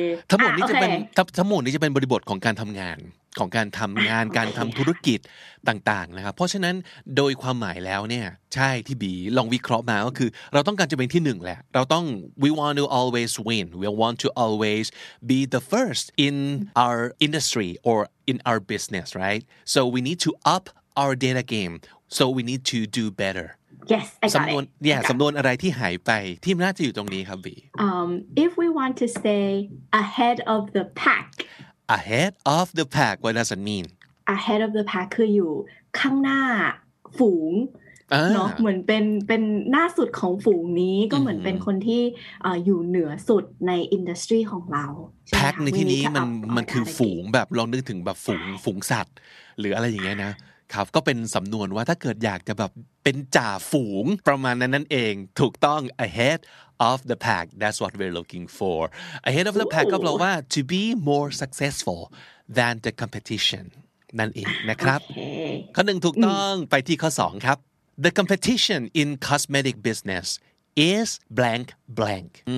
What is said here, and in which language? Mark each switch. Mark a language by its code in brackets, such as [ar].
[th] ทั้งหมดนี้จะเป็นทั้งหมดนี้จะเป็นบริบทของการทำงานของการทำงานการทำธุรกิจต่างๆนะครับเพราะฉะนั้นโดยความหมายแล้วเนี่ยใช่ที่บีลองวิเคราะห์มาก็คือเราต้องการจะเป็นที่หนึ่งแหละเราต้อง [en] we want to always win we want to always be the first in our industry or in our business right so we need to up our data game so we need to do better yes I got it [th] สำนวนอะไรที่หายไปที่น่าจะอยู่ตรงนี้ครับบี [en] if we want to stay ahead of the pack Ahead of the pack. What does it mean? [th] Ahead of the pack คืออยู่ข้างหน้าฝูงเนาะเหมือนเป็นหน้าสุดของฝูงนี้ก็เหมือนเป็นคนที่อยู่เหนือสุดในอินดัสทรีของเรา Pack ในที่นี้มันคือฝูงแบบลองนึกถึงแบบฝูงสัตว์หรืออะไรอย่างเงี้ยนะครับก็เป็นสำนวนว่าถ้าเกิดอยากจะแบบเป็นจ่าฝูงประมาณนั้นนั่นเองถูกต้อง [en] aheadOf the pack, that's what we're looking for. Ahead of the pack, [th] ก็แปลว่า [en] to be more successful than the competition. [th] นั่นเองนะครับ [en] okay. [th] ข้อหนึ่งถูกต้องไปที่ข้อสองครับ [en] The competition in cosmetic business is blank blank.